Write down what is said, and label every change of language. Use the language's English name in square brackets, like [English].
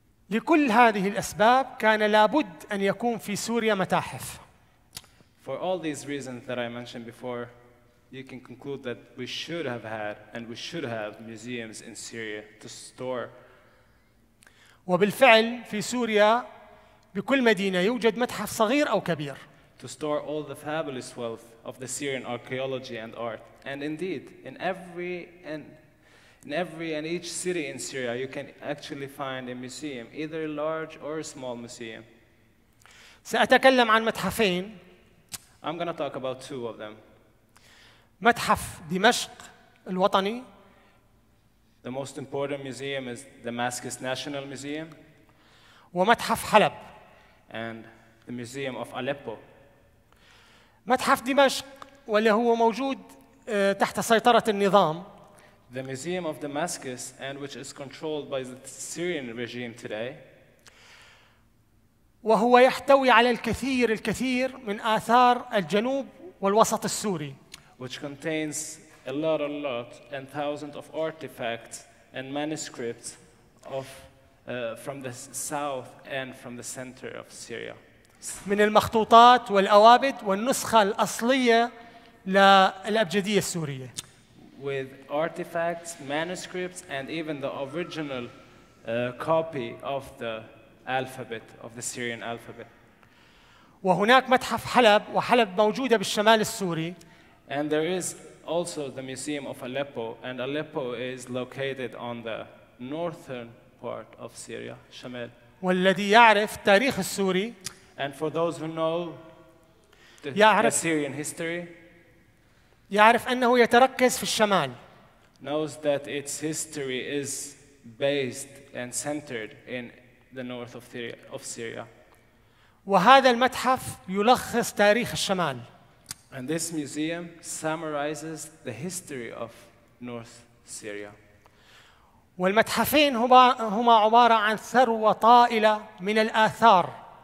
[Arabic] لكل هذه الأسباب كان لابد أن يكون في سوريا متاحف. [English] For all these reasons that I mentioned before, you can conclude that we should have had and we should have museums in Syria to store. [Arabic] وبالفعل في سوريا بكل مدينة يوجد متحف صغير أو كبير. [English] To store all the fabulous wealth of the Syrian archaeology and art. And indeed, in every and each city in Syria, you can actually find a museum, either a large or a small museum. [Arabic] سأتكلم عن متحفين. [English] I'm going to talk about two of them. [Arabic] متحف دمشق الوطني. [English] The most important museum is Damascus National Museum. [Arabic] ومتحف حلب. [English] And the Museum of Aleppo. [Arabic] متحف دمشق واللي هو موجود تحت سيطرة النظام. [English] The Museum of Damascus and which is controlled by the Syrian regime today. [Arabic] وهو يحتوي على الكثير الكثير من آثار الجنوب والوسط السوري. [English] Which contains a lot and thousands of artifacts and manuscripts of from the south and from the center of Syria. [Arabic] من المخطوطات والأوابد والنسخة الأصلية للأبجدية السورية. [English] With artifacts, manuscripts, and even the original copy of the alphabet, of the Syrian alphabet. [Arabic] وهناك متحف حلب وحلب موجودة بالشمال السوري. [English] And there is also the Museum of Aleppo, and Aleppo is located on the northern part of Syria, [Arabic] شمال. والذي يعرف تاريخ السوري. [English] And for those who know the Syrian history, [Arabic] يعرف أنه يتركز في الشمال. [English] Knows that its history is based and centered in the north of Syria. [Arabic] وهذا المتحف يلخص تاريخ الشمال. [English] And this museum summarizes the history of North Syria. [Arabic] والمتحفين هما عبارة عن ثروة طائلة من الآثار.